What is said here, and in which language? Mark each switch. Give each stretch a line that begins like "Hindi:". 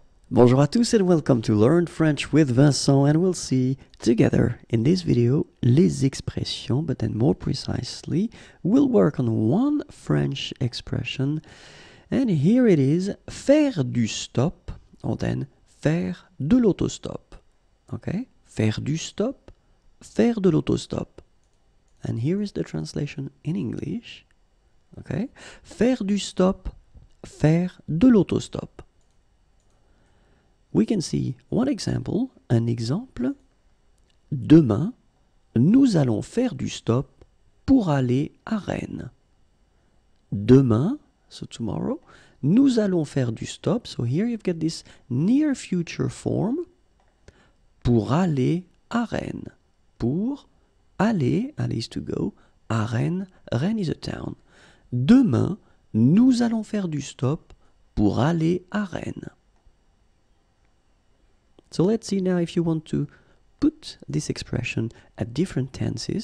French: Bonjour à tous
English: and welcome to Learn French with Vincent, and we'll see together in this video
French: les expressions,
English: but then more precisely, we'll work on one French expression, and here it is, faire du stop, or then faire de l'autostop, okay,
French: faire du stop, faire de l'autostop,
English: and here is the translation in English, okay, faire du stop, faire de l'autostop. We can see one example,
French: un exemple. Demain, nous allons faire du stop pour aller à Rennes. Demain,
English: so tomorrow,
French: nous allons faire du stop.
English: So here you've got this near future form.
French: Pour aller à Rennes. Pour aller, aller
English: is to go,
French: à Rennes.
English: Rennes is a town.
French: Demain, nous allons faire du stop pour aller à Rennes.
English: So let's see now if you want to put this expression at different tenses.